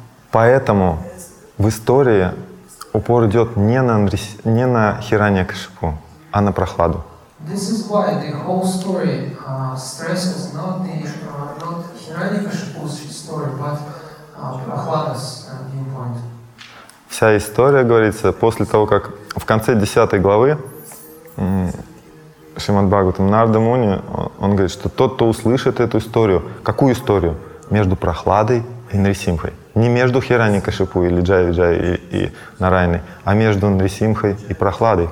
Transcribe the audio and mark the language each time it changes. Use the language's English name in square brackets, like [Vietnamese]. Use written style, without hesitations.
[Russian] Поэтому в истории упор идет не на Хираньякшипу, а на Прохладу. [English] This is why the whole story stresses not the not Hiranyakashipu's story, but Prahlada's viewpoint. [Russian] Вся история, говорится, после того, как в конце 10 главы Шримад Бхагаватам Нарада Муни, он говорит, что тот, кто услышит эту историю, какую историю? Между Прохладой и Нрисимхой. Не между Хираньякашипу или Джая-Виджая и Нарайной, а между Нрисимхой и Прохладой.